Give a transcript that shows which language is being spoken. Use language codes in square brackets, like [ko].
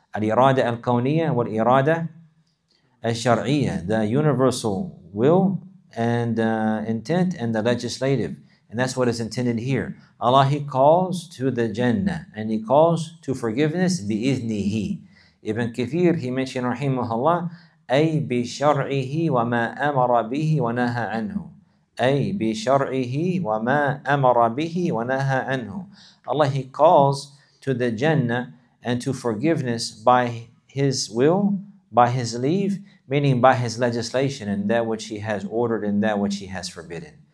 [ar] الإرادة الكونية والإرادة الشرعية, [en] the universal will and intent, and the legislative. And that's what is intended here. Allah, he calls to the Jannah, and he calls to forgiveness بِإِذْنِهِ. [ar] Ibn Kathir, [en] he mentioned, [ar] rahimahullah, أي بشرعه وما أمر به ونهى عنه. أي بشرعه وما أمر به ونهى عنه. [en] Allah, he calls to the Jannah and to forgiveness by his will, by his leave, meaning by his legislation and that which he has ordered and that which he has forbidden.